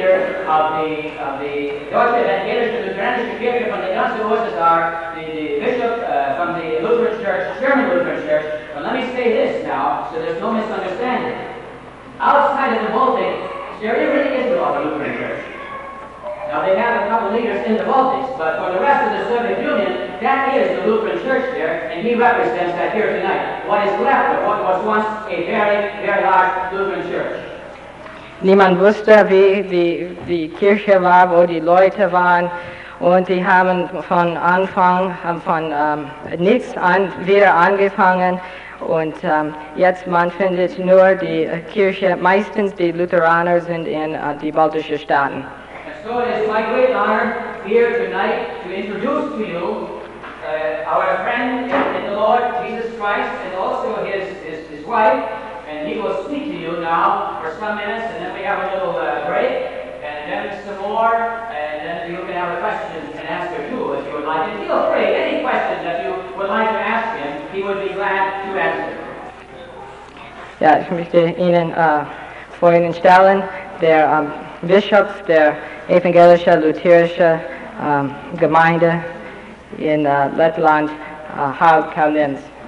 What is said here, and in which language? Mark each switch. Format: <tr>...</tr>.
<en>And then he took up this job, and so has become the bishop from the Lutheran Church, German Lutheran Church. But let me say this now, so there's no misunderstanding. Outside of the Baltic, there really is a lot of Lutheran Church. Now, they have a couple leaders in the Baltics, but for the rest of the Soviet Union, that is the Lutheran Church there, and he represents that here tonight. What is left of what was once a very, very large Lutheran Church.</en> <de>Niemand wusste, wie die Kirche war, wo die Leute waren, und die haben von Anfang, von nichts an, wieder angefangen, und jetzt man findet nur die Kirche, meistens die Lutheraner sind in die baltischen Staaten.</de> <en>So it is my great honor here tonight to introduce to you our friend in the Lord Jesus Christ, and also his wife, and he will speak to you now for some minutes, and then we have a little break, and then some more, and then you can have a question and answer too if you would like. And feel free, any question that you would like to ask him, he would be glad to answer.</en> <de>Ja, ich möchte Ihnen vor Ihnen stellen, der Bischof der Evangelische Lutherische Gemeinde in Lettland, Harald Kalnins.</de>